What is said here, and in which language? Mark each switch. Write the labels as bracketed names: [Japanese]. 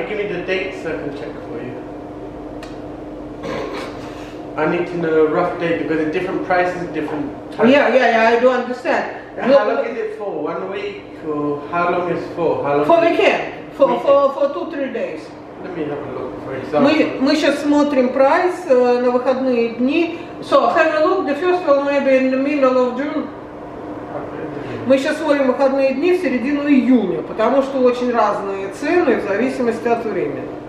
[English] If you give me the dates, I can check for you. I need to know a rough date because the different prices are different. Yeah, I do understand. How long is it for? 1 week or how long is it for? For weekend. for 2-3 days. Let me have a look for example. [Russian] Мы сейчас смотрим прайс на выходные дни. [English] So, have a look, the first one maybe in the middle of June. [Russian] Мы сейчас смотрим выходные дни в середину июня, потому что очень разные цены в зависимости от времени.